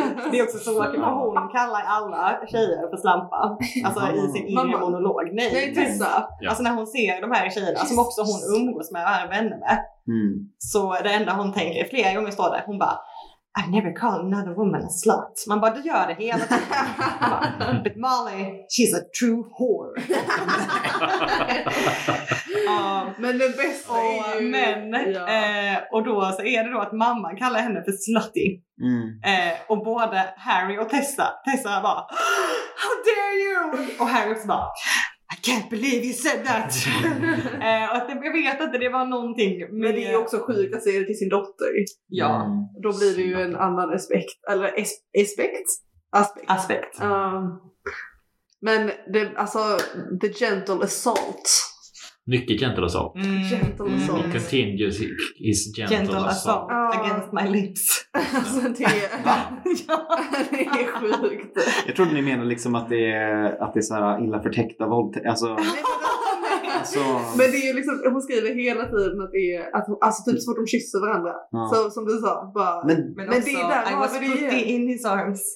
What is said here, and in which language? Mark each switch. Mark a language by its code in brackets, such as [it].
[sv] Det är också så att hon kallar alla tjejer för slampa. Alltså i sin inre monolog. Nej. Nej, tyst. Ja. Alltså när hon ser de här tjejerna som också hon umgås med och är vänner med. Mm. Så det enda hon tänker flera gånger står där, hon bara, [en] I never call another woman a slut. [sv] Man bara, du gör det hela tiden. [en] But Molly, she's a true whore. [sv] Men det bästa är ju och då så är det då att mamman kallar henne för slutty. Mm. Och både Harry och Tessa bara, [en] how dare you. [sv] Och Harry också bara, [en] I can't believe you said that. [sv] Jag vet att det var någonting. Men det är också sjukt att säga det till sin dotter. Ja. Då blir det ju en annan aspekt. Eller aspekt? Aspekt. Men det, alltså, [en] the gentle assault. [sv] Mycket [en] gentle assault. Mm. Gentle assault. He continues his gentle assault. Assault against my lips. [sv] Alltså det är... Ja, det är sjukt. Jag trodde ni menade liksom att det är så här illa förtäckta våld. Alltså... Så... Men det är ju liksom, hon skriver hela tiden att det är att hon, alltså typ så fort de kysser varandra. Ja. Så som du sa, bara men också, det är där har vi det [en] in his arms.